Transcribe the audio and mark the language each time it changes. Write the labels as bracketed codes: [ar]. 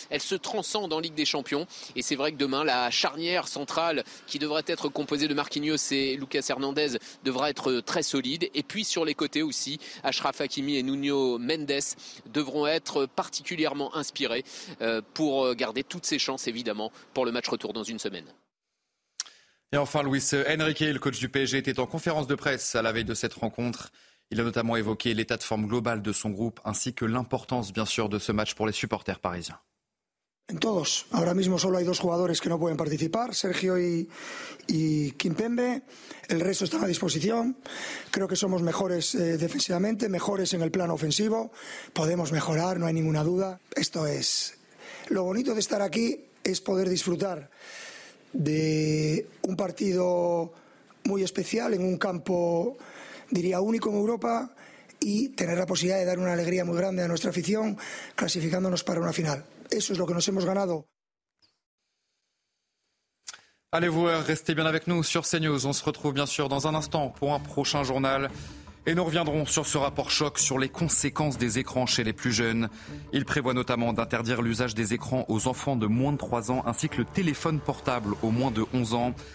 [fr] Elle se transcende en Ligue des Champions, et c'est vrai que demain la charnière centrale qui devrait être composée de Marquinhos et Lucas Hernandez devra être très solide, et puis sur les côtés aussi, Achraf Hakimi et Nuno Mendes devront être particulièrement inspirés pour garder toutes ses chances évidemment pour le match retour dans une semaine. Et enfin, Luis Enrique, le coach du PSG, était en conférence de presse à la veille de cette rencontre. Il a notamment évoqué l'état de forme global de son groupe ainsi que l'importance bien sûr de ce match pour les supporters parisiens. [es] En todos. Ahora mismo solo hay dos jugadores que no pueden participar, Sergio y Kimpembe. El resto están a disposición. Creo que somos mejores defensivamente, mejores en el plano ofensivo. Podemos mejorar, no hay ninguna duda. Esto es. Lo bonito de estar aquí es poder disfrutar de un partido muy especial en un campo, diría, único en Europa y tener la posibilidad de dar una alegría muy grande a nuestra afición clasificándonos para una final. Eso es lo que nos hemos ganado. [fr] Allez, voyeurs, restez bien avec nous sur CNews. On se retrouve bien sûr dans un instant pour un prochain journal. Et nous reviendrons sur ce rapport choc sur les conséquences des écrans chez les plus jeunes. Il prévoit notamment d'interdire l'usage des écrans aux enfants de moins de 3 ans ainsi que le téléphone portable aux moins de 11 ans.